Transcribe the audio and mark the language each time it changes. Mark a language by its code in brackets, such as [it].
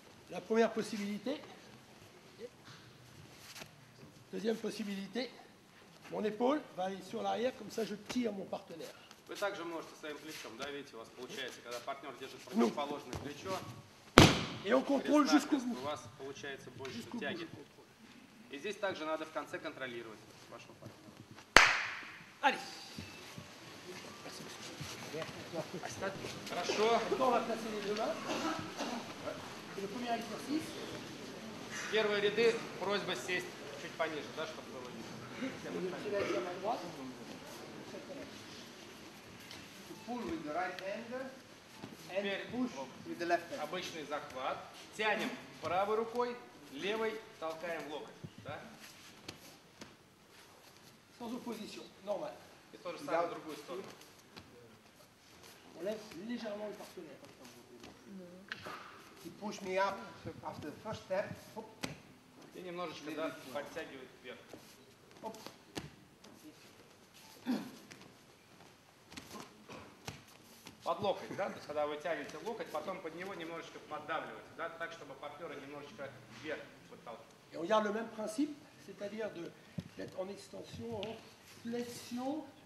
[fr] La première possibilité. Deuxième possibilité, mon épaule va aller sur l'arrière, comme ça je tire mon partenaire. [ru] Вы также можете своим плечом, да, видите, у вас получается, когда партнер держит противоположное плечо. [fr] Et on contrôle jusqu'au bout. [ru] У вас получается больше тяги. И здесь также надо в конце контролировать вашего партнера. [fr] Allez. [ru] Хорошо. Первые ряды, просьба сесть. Чуть пониже, да, чтобы было видно. [en] Pull with the right hand and push with the left hand. [ru] Обычный захват. Тянем правой рукой, левой толкаем локоть. Да? [fr] Sans opposition, normal. [ru] И то же самое в другую сторону. [fr] On lève légèrement le partenaire. [en] He pushed me up after the first step. [ru] И немножечко, да, подтягивает вверх. Оп. Под локоть, да? То есть, когда вы тянете локоть, потом под него немножечко поддавливать, да? Так, чтобы партнеры немножечко вверх подталкивали. И у меня [fr] le même principe. c'est-à-dire de d'être en extension, en flexion.